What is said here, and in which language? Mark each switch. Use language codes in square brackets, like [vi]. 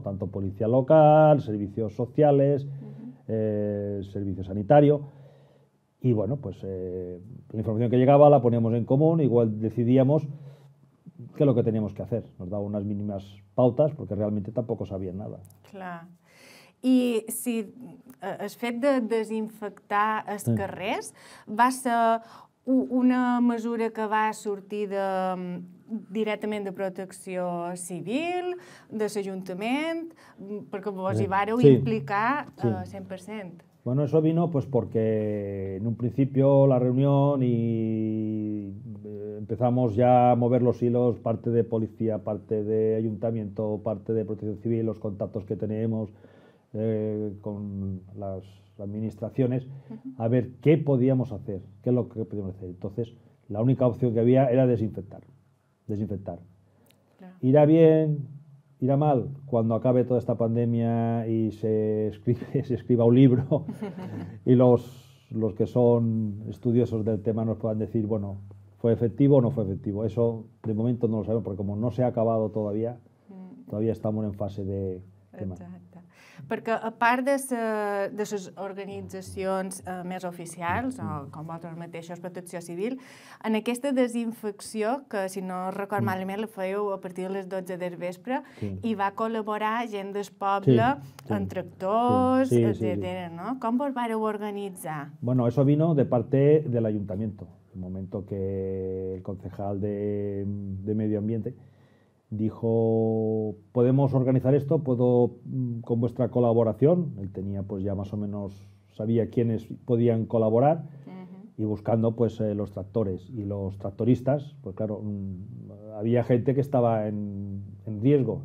[es] Tanto policía local, servicios sociales, uh-huh. Servicio sanitario. Y bueno, pues la información que llegaba la poníamos en común, igual decidíamos qué es lo que teníamos que hacer. Nos daba unas mínimas pautas porque realmente tampoco sabían nada. [ca] Clar. I si el fet de desinfectar els carrers va ser una mesura que va sortir directament de Protecció Civil, de l'Ajuntament, perquè vos hi vareu implicar 100%. [es] Bueno, eso vino pues porque en un principio la reunión y empezamos ya a mover los hilos, parte de policía, parte de ayuntamiento, parte de Protección Civil, los contactos que tenemos, con las administraciones a ver qué podíamos hacer, qué es lo que podíamos hacer. Entonces, la única opción que había era desinfectar. Desinfectar. Claro. ¿Irá bien, irá mal? Cuando acabe toda esta pandemia y se escriba un libro y los que son estudiosos del tema nos puedan decir, bueno, ¿fue efectivo o no fue efectivo? Eso, de momento, no lo sabemos, porque como no se ha acabado todavía, todavía estamos en fase de... [ca] Exacte. Perquè a part de les organitzacions més oficials, o com vosaltres mateixos, Protecció Civil, en aquesta desinfecció, que si no record malament la fèieu a partir de les 12 del vespre, sí. I va col·laborar gent del poble, sí, sí. En tractors, sí. Sí, etcètera, sí, sí. No? Com vos vareu organitzar? [es] Bueno, eso vino de parte de l'Ajuntamiento, el momento que el concejal de Medio Ambiente dijo, podemos organizar esto, puedo con vuestra colaboración. Él tenía, pues ya más o menos sabía quiénes podían colaborar, uh-huh. Y buscando, pues los tractores y los tractoristas, pues claro, había gente que estaba en riesgo.